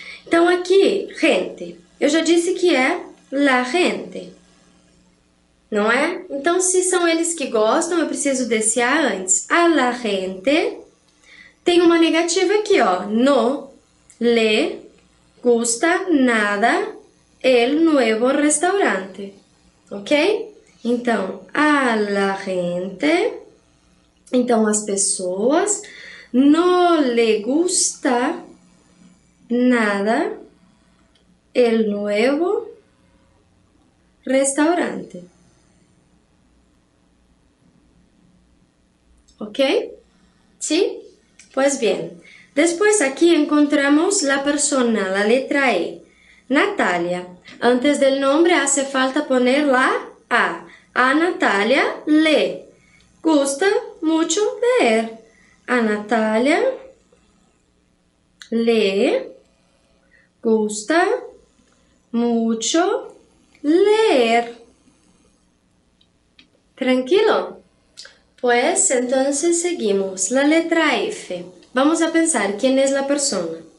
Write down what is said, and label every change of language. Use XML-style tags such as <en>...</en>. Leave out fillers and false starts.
<pt>Então aqui, gente. Eu já disse que é la gente. Não é? Então, se são eles que gostam, eu preciso desse A antes.</pt> <es>A la gente.</es> <pt>Tem uma negativa aqui, ó. No le</pt> <es>gusta nada el nuevo restaurante. Ok?</es> <pt>Então,</pt> <es>a la gente,</es> <pt>então as pessoas,</pt> <es>no le gusta nada el nuevo restaurante.</es> <pt>Ok? Sim? Pois bem. Depois aqui encontramos a persona, a letra E. Natália. Antes do nome,</pt> <es>hace falta poner a A. A Natália le gusta muito ver. A Natália le gusta muito ler. Tranquilo? Pues entonces seguimos. La letra F. Vamos a pensar quién es la persona.</es>